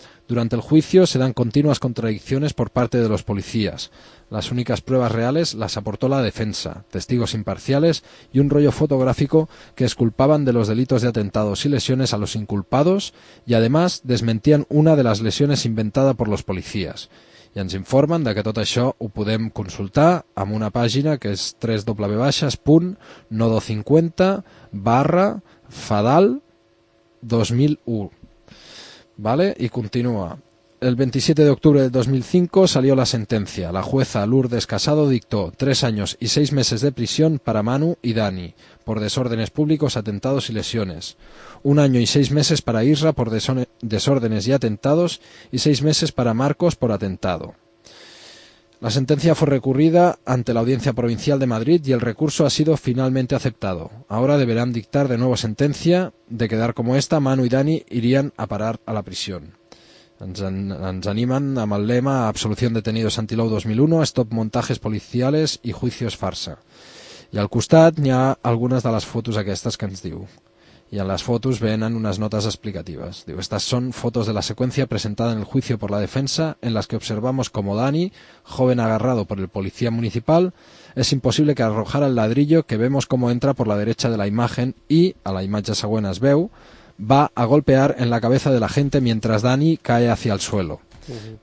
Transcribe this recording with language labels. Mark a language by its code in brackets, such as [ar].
[es] Durante el juicio se dan continuas contradicciones por parte de los policías. Las únicas pruebas reales las aportó la defensa, testigos imparciales y un rollo fotográfico que exculpaban de los delitos de atentados y lesiones a los inculpados y además desmentían una de las lesiones inventada por los policías. [ca] I ens informen de que tot això ho podem consultar amb una pàgina que és www.nodo50/fadal2001. [es] ¿Vale? Y continúa. El 27 de octubre de 2005 salió la sentencia. La jueza Lourdes Casado dictó 3 años y 6 meses de prisión para Manu y Dani por desórdenes públicos, atentados y lesiones. 1 año y 6 meses para Isra por desórdenes y atentados y 6 meses para Marcos por atentado. La sentencia fue recurrida ante la Audiencia Provincial de Madrid y el recurso ha sido finalmente aceptado. Ahora deberán dictar de nuevo sentencia. De quedar como esta, Manu y Dani irían a parar a la prisión. [ca] Ens animan amb el lema [es] Absolución detenidos Antilou 2001, Stop montajes policiales y juicios farsa. [ca] I al costat n'hi ha algunes de les fotos aquestes que ens diu. [es] Y en las fotos venen unas notas explicativas. Digo, estas son fotos de la secuencia presentada en el juicio por la defensa, en las que observamos como Dani, joven agarrado por el policía municipal, es imposible que arrojara el ladrillo que vemos como entra por la derecha de la imagen y, [ca] a la imatge següent es veu, [es] va a golpear en la cabeza de la gente mientras Dani cae hacia el suelo. Uh-huh.